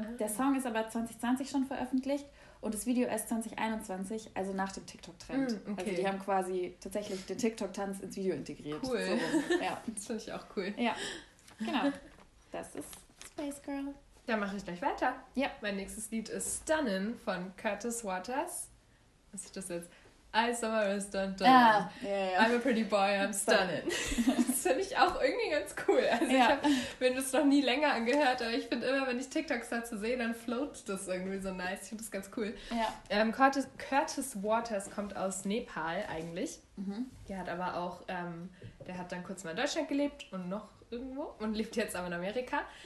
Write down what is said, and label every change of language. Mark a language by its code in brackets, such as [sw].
[de] Der Song ist aber 2020 schon veröffentlicht und das Video erst 2021, also nach dem TikTok-Trend. Mm, okay. Also die haben quasi tatsächlich den TikTok-Tanz ins Video integriert. Cool. So, ja. Das finde ich auch cool. Ja, genau. Das ist Space Girl. Dann mache ich gleich weiter. Ja. Mein nächstes Lied ist Stunnin' von Curtis Waters. Was ist das jetzt? [en] I saw her as done. I'm a pretty boy, I'm stunnin'. [de] Das finde ich auch irgendwie ganz cool. Also ich habe mir das noch nie länger angehört, aber ich finde immer, wenn ich TikToks dazu sehe, dann float das irgendwie so nice. Ich finde das ganz cool. Ja. Curtis Waters kommt aus Nepal eigentlich. Mhm. Der hat aber auch, der hat dann kurz mal in Deutschland gelebt und noch irgendwo und lebt jetzt aber in Amerika.